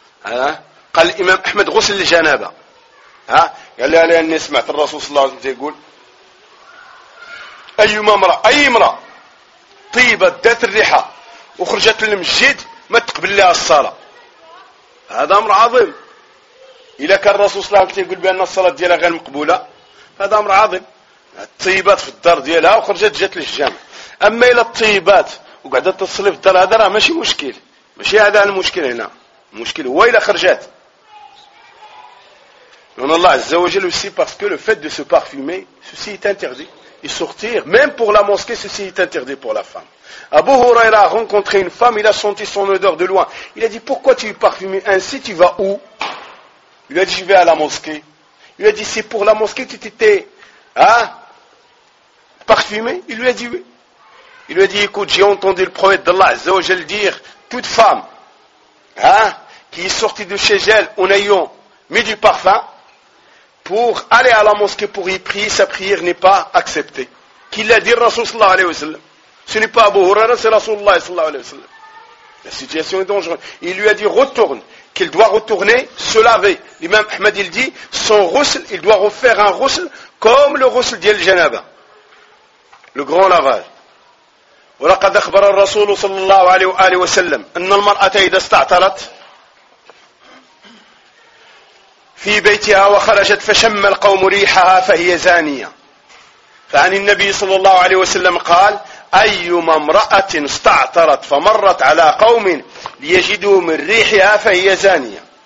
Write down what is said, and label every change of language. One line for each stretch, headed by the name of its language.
Arabic: ها قال الامام احمد غسل الجنابه. ها قال لها لاني سمعت الرسول صلى الله عليه وسلم يقول أيما امرأة أي امرأة طيبت ذات الريحة وخرجت للمسجد ما تقبل لها الصلاة. هذا أمر عظيم. إذا كان الرسول صلى الله عليه وسلم يقول بأن الصلاة ديالها غير مقبولة هذا أمر عظيم. طيبت في الدار ديالها وخرجت جات للجامع. أما إلى الطيبات وقعدت تصلي في الدار هذا راه ماشي مشكل. ماشي هذا المشكل هنا. المشكل هو إلى خرجت. لأن الله عز وجل
French: aussi parce que le fait de se parfumer ceci est interdit. Et sortir, même pour la mosquée, ceci est interdit pour la femme. Abu Huraira a rencontré une femme, il a senti son odeur de loin. Il a dit, pourquoi tu es parfumé ainsi, tu vas où? Il lui a dit, je vais à la mosquée. Il lui a dit, c'est pour la mosquée, tu t'étais parfumé? Il lui a dit, oui. Il lui a dit, écoute, j'ai entendu le prophète d'Allah, Azza wa Jalla dire, toute femme qui est sortie de chez elle en ayant mis du parfum, pour aller à la mosquée pour y prier, sa prière n'est pas acceptée. Qui l'a dit Rasoul sallallahu alayhi wa sallam? Ce n'est pas Abu Huraira, c'est Rasoul sallallahu alayhi wa sallam. La situation est dangereuse. Il lui a dit retourne, qu'il doit retourner se laver. L'imam Ahmad il dit son ghusl, il doit refaire un ghusl comme le ghusl d'Al-Janaba. Le grand lavage.
Arabic: ولقد أخبر الرسول صلى الله عليه وآله وسلم أن المرأة إذا استعطلت في بيتها وخرجت فشم القوم ريحها فهي زانية. فعن النبي صلى الله عليه وسلم قال: أيما امرأة استعطرت فمرت على قوم ليجدوا من ريحها فهي زانية.